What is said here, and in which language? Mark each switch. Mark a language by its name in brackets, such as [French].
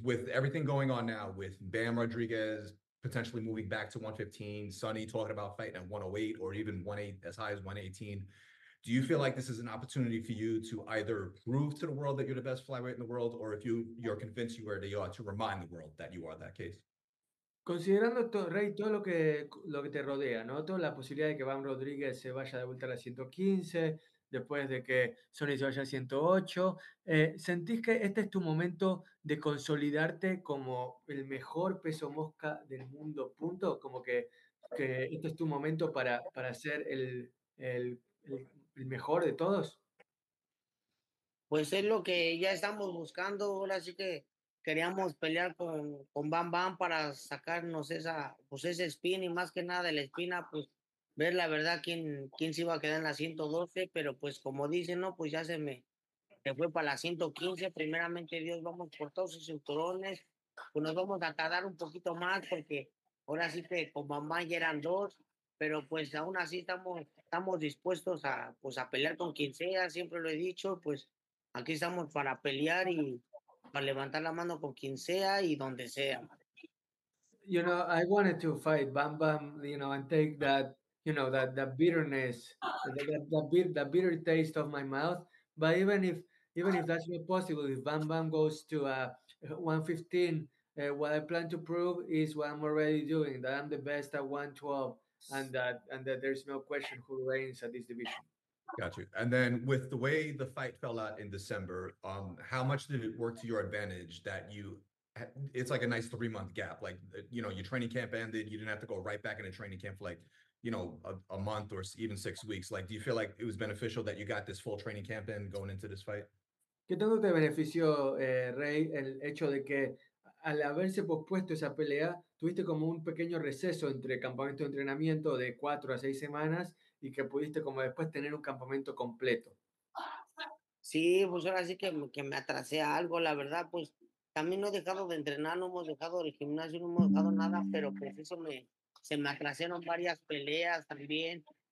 [English] With everything going on now with Bam Rodriguez potentially moving back to 115, Sonny talking about fighting at 108 or even 18, as high as 118, do you feel like this is an opportunity for you to either prove to the world that you're the best flyweight in the world, or if you're convinced you are, that you are, to remind the world that you are that case? [Spanish] Considerando, Rey, todo lo que te rodea, ¿no? Toda la posibilidad de que Bam Rodríguez se vaya de vuelta a la 115, después de que Sonny se vaya a 108, ¿sentís que este es tu momento de consolidarte como el mejor peso mosca del mundo, punto? Como que este es tu momento para ser el mejor de todos. Pues es lo que ya estamos buscando, ahora sí que... Queríamos pelear con Bam Bam para sacarnos esa, pues ese spin, y más que nada de la espina, pues ver la verdad quién se iba a quedar en la 112, pero pues como dicen, no, pues ya se fue para la 115, primeramente Dios, vamos por todos esos cinturones, pues nos vamos a tardar un poquito más porque ahora sí que con Bam Bam ya eran dos, pero pues aún así estamos dispuestos a pelear con quien sea, siempre lo he dicho, pues aquí estamos para pelear y para levantar la mano con quien sea y donde sea. [English] You know, I wanted to fight Bam Bam, you know, and take that, you know, that bitterness, that bitter taste of my mouth. But even if that's not possible, if Bam Bam goes to 115, what I plan to prove is what I'm already doing, that I'm the best at 112, and that there's no question who reigns at this division. Got you. And then with the way the fight fell out in December, how much did it work to your advantage that it's like a nice 3-month gap? Like, you know, your training camp ended. You didn't have to go right back into training camp for like, you know, a month or even 6 weeks. Like, do you feel like it was beneficial that you got this full training camp in going into this fight? [Spanish] ¿Qué tanto te benefició, Rey, el hecho de que al haberse pospuesto esa pelea, tuviste como un pequeño receso entre campamento de entrenamiento de 4 a 6 semanas y que pudiste como después tener un campamento completo. Sí, pues ahora sí que me atrasé a algo, la verdad, pues también no he dejado de entrenar, no hemos dejado el gimnasio, no hemos dejado nada, pero pues eso se me atrasaron varias peleas también.